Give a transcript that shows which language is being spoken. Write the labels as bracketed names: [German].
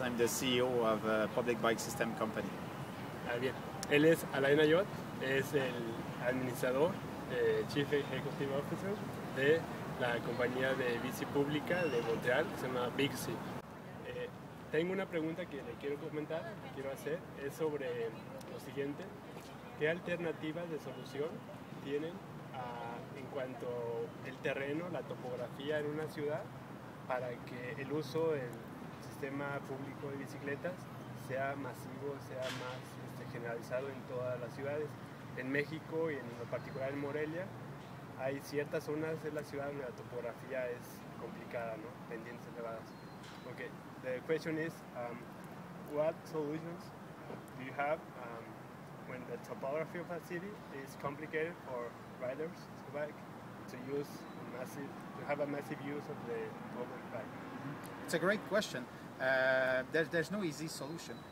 [English] I'm the CEO of a public bike system company. [Spanish] Ah, bien. Él es Alain Ayotte, es el administrador, [English] Chief Executive Officer [Spanish] de la compañía de bici pública de Montreal, que se llama Bixi. Tengo una pregunta que le quiero comentar, que quiero hacer, es sobre lo siguiente. ¿Qué alternativas de solución tienen en cuanto al terreno, la topografía en una ciudad, para que el uso del sistema público de bicicletas sea masivo, sea más generalizado en todas las ciudades? En México y en lo particular en Morelia, hay ciertas zonas de la ciudad donde la topografía es complicada, ¿no? Pendientes elevadas. Okay. [English] The question is, what solutions do you have when the topography of a city is complicated for riders to bike to use to have a massive use of the public bike? Mm-hmm. It's a great question. There's no easy solution.